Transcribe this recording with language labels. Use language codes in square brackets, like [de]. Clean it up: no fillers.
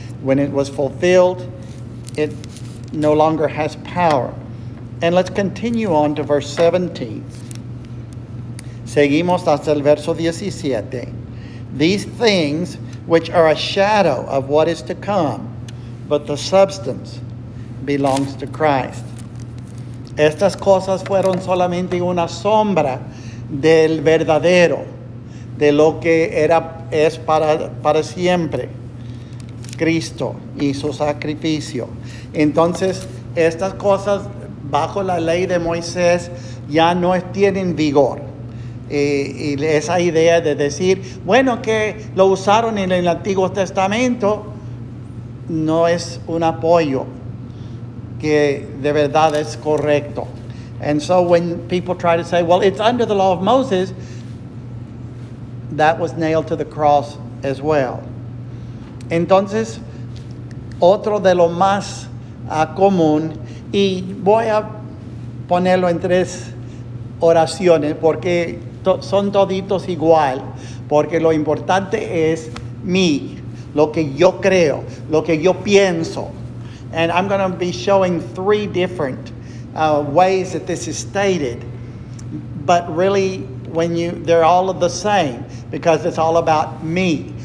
[en] When it was fulfilled, it no longer has power. And let's continue on to verse 17. [es] Seguimos hasta el verso 17. [en] These things which are a shadow of what is to come, but the substance belongs to Christ. [es] Estas cosas fueron solamente una sombra del verdadero, de lo que era, es para siempre, Cristo y su sacrificio. Entonces, estas cosas bajo la ley de Moisés ya no tienen vigor. Y esa idea de decir, bueno, que lo usaron en el Antiguo Testamento, no es un apoyo que de verdad es correcto. [en] And so when people try to say, well, it's under the law of Moses, that was nailed to the cross as well. [es] Entonces, otro de lo más común, y voy a ponerlo en tres oraciones, porque son toditos igual, porque lo importante es mí, lo que yo creo, lo que yo pienso. [en] And I'm going to be showing three different ways that this is stated, but really, they're all of the same, because it's all about me.